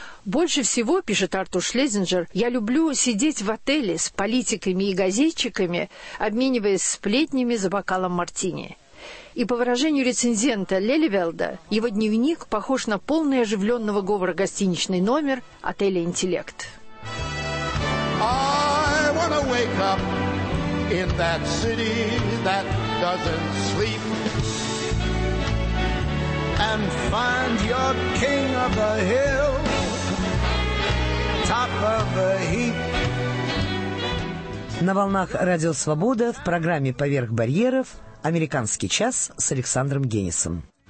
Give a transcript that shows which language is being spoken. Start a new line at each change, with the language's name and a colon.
Russian: «Больше всего, — пишет Артур Шлезинджер, — я люблю сидеть в отеле с политиками и газетчиками, обмениваясь сплетнями за бокалом мартини». И по выражению рецензента Лелевелда, его дневник похож на полный оживленного говора гостиничный номер отеля «Интеллект».
English: I wanna wake up in that city that doesn't sleep and find your king of the hill, top of the heap.
Russian: На волнах «Радио Свобода» в программе «Поверх барьеров» «Американский час» с Александром Геннисом.